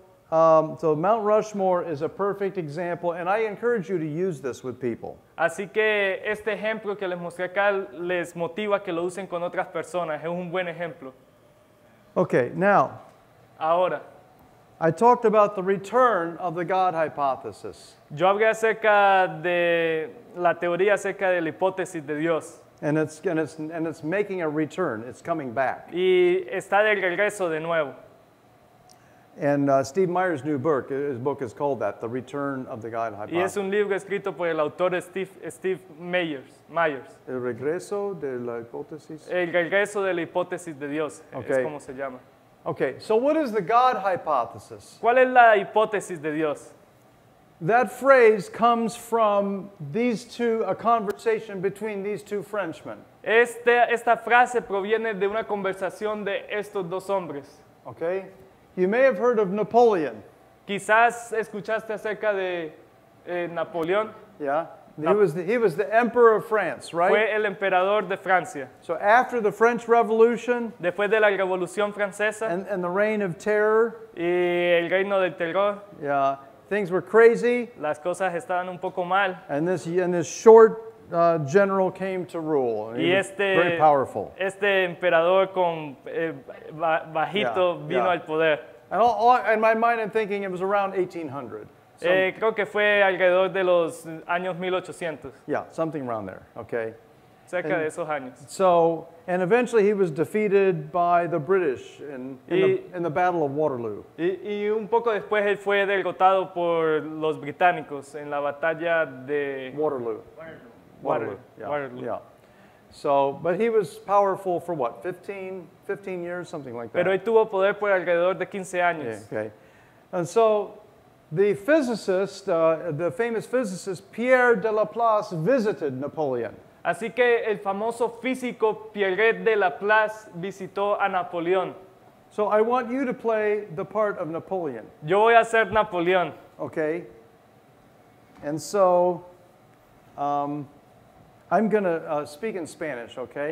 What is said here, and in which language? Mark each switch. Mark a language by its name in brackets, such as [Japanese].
[English] So Mount Rushmore is a perfect example, and I encourage you to use this with people. [Spanish] Así que este ejemplo que les mostré acá les motiva que lo usen con otras personas. Es un buen ejemplo. [English] Okay, now. [Spanish] Ahora. [English] I talked about the return of the God hypothesis. [Spanish] Yo hablé acerca de la teoría acerca de la hipótesis de Dios. [English] And it's making a return. It's coming back. [Spanish] Y está de regreso de nuevo. [English] And Steve Meyer's new book, his book is called that, The Return of the God Hypothesis. [Spanish] Y es un libro escrito por el autor Steve Meyers. El regreso de la hipótesis. El regreso de la hipótesis de Dios, okay. es como se llama. [English] Okay, so what is the God hypothesis? [Spanish] ¿Cuál es la hipótesis de Dios? [English] That phrase comes from a conversation between these two Frenchmen. [Spanish] Esta frase proviene de una conversación de estos dos hombres. [English] Okay. You may have heard of Napoleon. [Spanish] Quizás escuchaste acerca de Napoleón. [English] Yeah. He was the emperor of France, right? [Spanish] Fue el emperador de Francia. [English] So after the French Revolution. [Spanish] Después de la Revolución Francesa. [English] And the reign of terror. [Spanish] Y el reino del terror. [English] Yeah. Things were crazy. [Spanish] Las cosas estaban un poco mal. [English] And this short general came to rule. [Spanish] Y [English] very powerful. [Spanish] Este emperador con bajito yeah, vino yeah. al poder. [English] And all, in my mind, I'm thinking it was around 1800. [Spanish] So, creo que fue alrededor de los años 1800. [English] Yeah, something around there. Okay. [Spanish] Cerca and, de esos años. [English] So, and eventually he was defeated by the British in the Battle of Waterloo. [Spanish] Y un poco después él fue derrotado por los británicos en la batalla de Waterloo. Waterloo. [English] Yeah. So, but he was powerful for what? 15 years, something like that. [Spanish] Pero él tuvo poder por alrededor de 15 años. [English] Yeah, okay. And so, the physicist, the famous physicist Pierre de Laplace visited Napoleon. [Spanish] Así que el famoso físico Pierre de Laplace visitó a Napoleón. [English] So, I want you to play the part of Napoleon. [Spanish] Yo voy a ser Napoleón. [English] Okay. And so, I'm going to speak in Spanish, okay?